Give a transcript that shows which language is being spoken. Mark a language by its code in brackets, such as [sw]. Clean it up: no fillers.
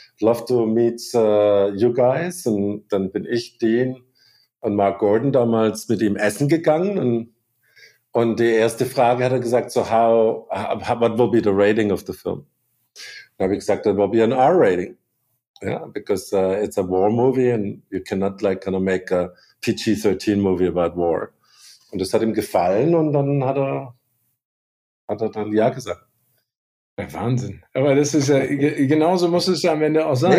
[en] Love to meet you guys. [de] Und dann bin ich Dean und Mark Gordon damals mit ihm essen gegangen und die erste Frage hat er gesagt, [en] so how what will be the rating of the film? [de] Da habe ich gesagt, [en] it will be an R-Rating. Yeah, because it's a war movie and you cannot like kind of make a PG-13 movie about war. [de] Und das hat ihm gefallen und dann hat er dann ja gesagt. Ja, Wahnsinn. Aber das ist ja, genauso muss es ja am Ende auch sein.